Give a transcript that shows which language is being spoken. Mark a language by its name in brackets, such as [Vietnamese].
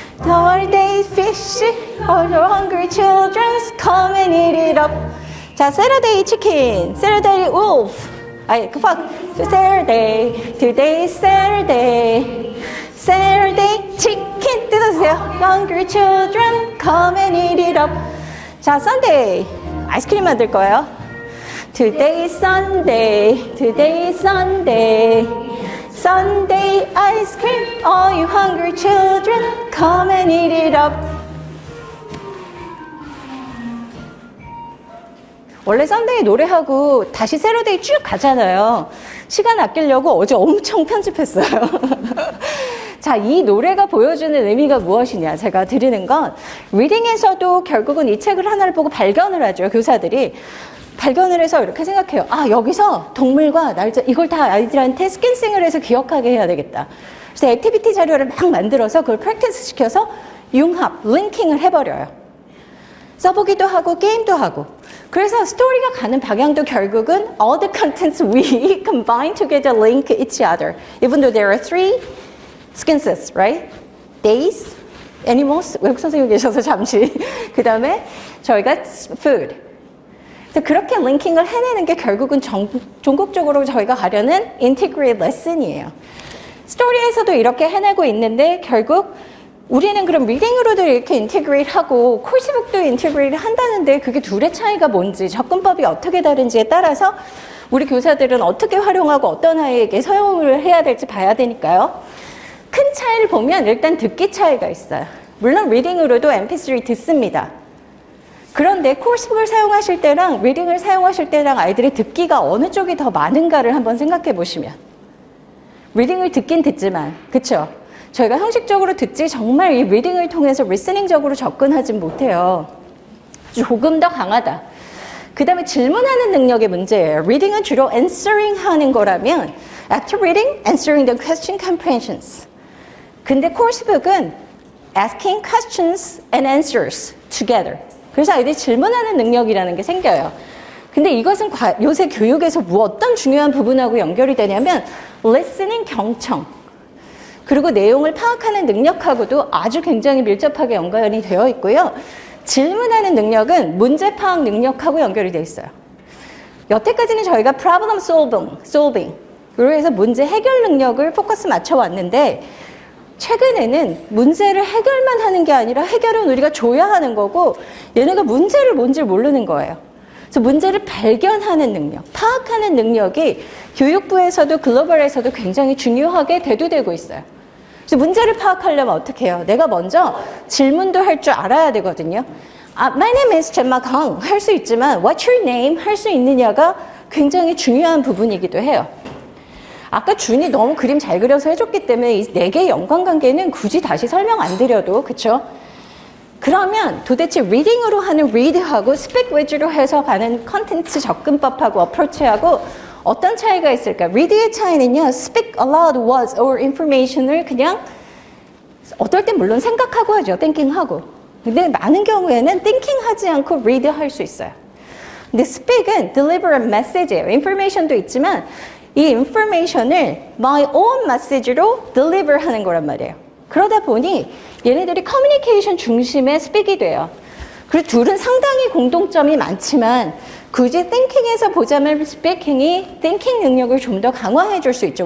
[English] Thursday's fish, all your hungry children, come and eat it up. 자, Saturday chicken, Saturday wolf. [Korean] 아니, 그 [English] fuck. Saturday, today's Saturday. Saturday chicken, [Korean] 뜯어주세요. [English] Hungry children, come and eat it up. [Korean] 자, Sunday, 아이스크림 만들 거예요. [English] Today's Sunday, today's Sunday. Sunday ice cream, all you hungry children, come and eat it up. [Korean] 원래 Sunday 노래하고 다시 Saturday 쭉 가잖아요. 시간 아끼려고 어제 엄청 편집했어요. 자, 이 노래가 보여주는 의미가 무엇이냐, 제가 드리는 건 리딩에서도 결국은 이 책을 하나를 보고 발견을 하죠, 교사들이. 발견을 해서 이렇게 생각해요. 아, 여기서 동물과 날짜 이걸 다 아이들한테 스킨싱을 해서 기억하게 해야 되겠다. 그래서 액티비티 자료를 막 만들어서 그걸 프랙티스 시켜서 융합, 링킹을 해버려요. 써보기도 하고 게임도 하고. 그래서 스토리가 가는 방향도 결국은 [English] all the contents we combine together link each other. Even though there are three skinses, right? [Korean] Days, animals, 외국 선생님 계셔서 잠시. 그 다음에 저희가 food. 그렇게 링킹을 해내는 게 결국은 종국적으로 저희가 가려는 Integrated Lesson이에요. 스토리에서도 이렇게 해내고 있는데 결국 우리는 그럼 리딩으로도 이렇게 인티그레이트하고 코스북도 인티그레이트 한다는데 그게 둘의 차이가 뭔지 접근법이 어떻게 다른지에 따라서 우리 교사들은 어떻게 활용하고 어떤 아이에게 사용을 해야 될지 봐야 되니까요. 큰 차이를 보면 일단 듣기 차이가 있어요. 물론 리딩으로도 MP3 듣습니다. 그런데 코스북을 사용하실 때랑 리딩을 사용하실 때랑 아이들의 듣기가 어느 쪽이 더 많은가를 한번 생각해 보시면 리딩을 듣긴 듣지만 그쵸? 저희가 형식적으로 듣지 정말 이 리딩을 통해서 리스닝적으로 접근하진 못해요. 조금 더 강하다. 그 다음에 질문하는 능력의 문제예요. 리딩은 주로 [English] answering [Korean] 하는 거라면 [English] after reading, answering the question comprehensions. [Korean] 근데 코스북은 [English] asking questions and answers together. [Korean] 그래서 아이들이 질문하는 능력이라는 게 생겨요. 근데 이것은 요새 교육에서 어떤 중요한 부분하고 연결이 되냐면 listening 경청. 그리고 내용을 파악하는 능력하고도 아주 굉장히 밀접하게 연관이 되어 있고요. 질문하는 능력은 문제 파악 능력하고 연결이 되어 있어요. 여태까지는 저희가 problem solving, 으로 해서 문제 해결 능력을 포커스 맞춰왔는데 최근에는 문제를 해결만 하는 게 아니라 해결은 우리가 줘야 하는 거고 얘네가 문제를 뭔지 모르는 거예요. 그래서 문제를 발견하는 능력, 파악하는 능력이 교육부에서도 글로벌에서도 굉장히 중요하게 대두되고 있어요. 그래서 문제를 파악하려면 어떻게 해요? 내가 먼저 질문도 할 줄 알아야 되거든요. [English] My name is 젠마 강 [Korean] 할 수 있지만 [English] What's your name? [Korean] 할 수 있느냐가 굉장히 중요한 부분이기도 해요. 아까 준이 너무 그림 잘 그려서 해줬기 때문에 이 네 개의 연관관계는 굳이 다시 설명 안 드려도 그쵸? 그러면 도대체 리딩으로 하는 리드하고 스펙 위주로 해서 가는 컨텐츠 접근법하고 어프로치하고 어떤 차이가 있을까? 리드의 차이는요, [English] speak aloud words or information [Korean] 을 그냥 어떨 땐 물론 생각하고 하죠, thinking하고. 근데 많은 경우에는 thinking하지 않고 read할 수 있어요. 근데 speak은 [English] deliver a message [Korean] 예요. information도 있지만 이 information을 [English] my own message [Korean] 로 deliver하는 거란 말이에요. 그러다 보니 얘네들이 커뮤니케이션 중심의 speak이 돼요. 그리고 둘은 상당히 공동점이 많지만 굳이 thinking에서 보자면 speaking이 thinking 능력을 좀 더 강화해 줄 수 있죠.